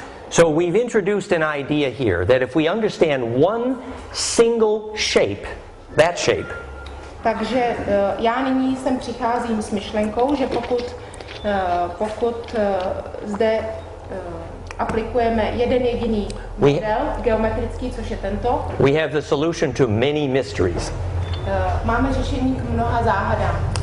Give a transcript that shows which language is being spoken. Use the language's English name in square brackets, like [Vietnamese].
[English] So we've introduced an idea here that if we understand one single shape, that shape. [Czech] Takže já nyní sem přicházím s myšlenkou, že pokud pokud zde aplikujeme jeden jediný model geometrický, což je tento. [English] We have the solution to many mysteries. [Czech] Máme řešení k mnoha záhadám.